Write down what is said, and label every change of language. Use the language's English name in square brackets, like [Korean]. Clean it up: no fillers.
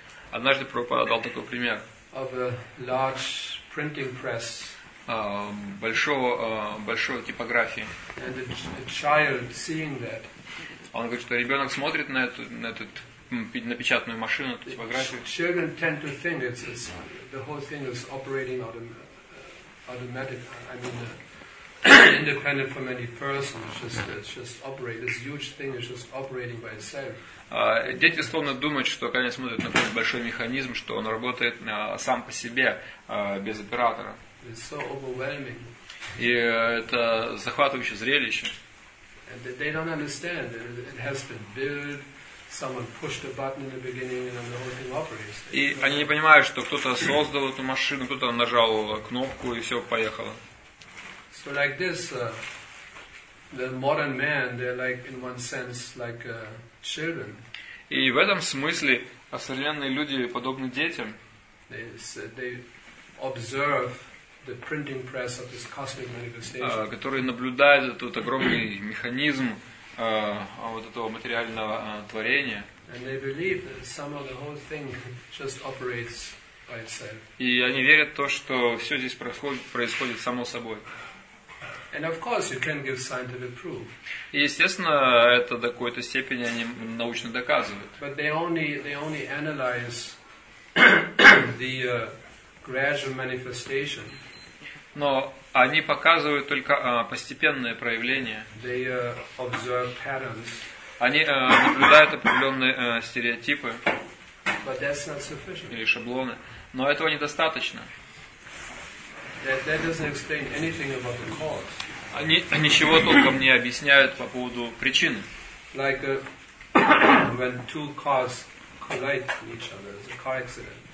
[Russian] Однажды Прабхупада дал такой пример. Большой типографии. [English] And a child seeing that. [Russian] Он говорит, что ребенок смотрит на эту напечатанную машину, эту типографию. [English] Children tend to think it's the whole thing is operating automatic. I mean, independent from any person. It's just operate. This huge thing is just operating by itself. [Russian] Дети словно думают, что когда они смотрят на этот большой механизм, что он работает сам по себе без оператора. [English] It's so overwhelming. [Russian] И это захватывающее зрелище. [English] And they don't understand that it has been built. Someone pushed a button in the beginning, and the whole thing operates. [Russian] И они не понимают, что кто-то создал эту машину, кто-то нажал кнопку и все поехало. [English] So like this, The modern man, they're like in one sense like children. [Russian] И в этом смысле современные люди подобны детям. [English] They observe the printing press of this cosmic manifestation. [Russian] Которые наблюдают этот огромный механизм вот этого материального творения. [English] And they believe that some of the whole thing just operates by itself. [Russian] И они верят в то, что все здесь происходит само собой. [English] And of course, you can give scientific proof. [Russian] И естественно, это до какой-то степени они научно доказывают. [English] But they only analyze the gradual manifestation. [Russian] Но они показывают только постепенное проявление. [English] They observe patterns. [Russian] Они наблюдают определенные стереотипы. [English] But that's not sufficient. [Russian] Или шаблоны. Но этого недостаточно. [English] That doesn't explain anything about the cause. [Russian] Они ничего толком не объясняют по поводу причины. [English] Like when two cars collide each other, it's a car accident.